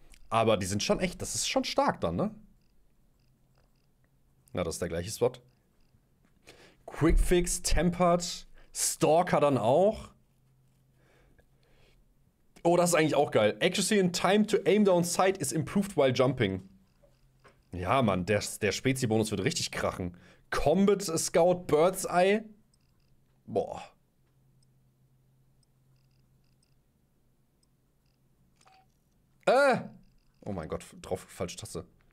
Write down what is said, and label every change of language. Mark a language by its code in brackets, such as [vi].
[de] Aber die sind schon echt, das ist schon stark dann, ne? Na, das ist der gleiche Spot. Quickfix, Tempered, Stalker dann auch. Oh, das ist eigentlich auch geil. [en] Accuracy in time to aim down sight is improved while jumping. [de] Ja, Mann, der Spezi-Bonus wird richtig krachen. Combat Scout Bird's Eye. Boah. Oh mein Gott, drauf, falsche Taste.